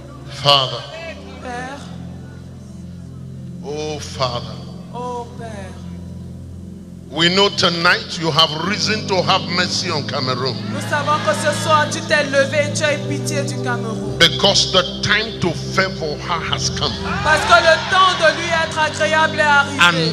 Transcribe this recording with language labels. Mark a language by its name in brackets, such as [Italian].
[English] Father, [French] Père, [English] oh Father. [French] Oh Père. [English] We know tonight you have reason to have mercy on Cameroon. [French] Nous savons que ce soir tu t'es levé et tu as pitié du Cameroun. [English] Because the time to favor her has come. [French] Parce que le temps de lui être agréable est arrivé.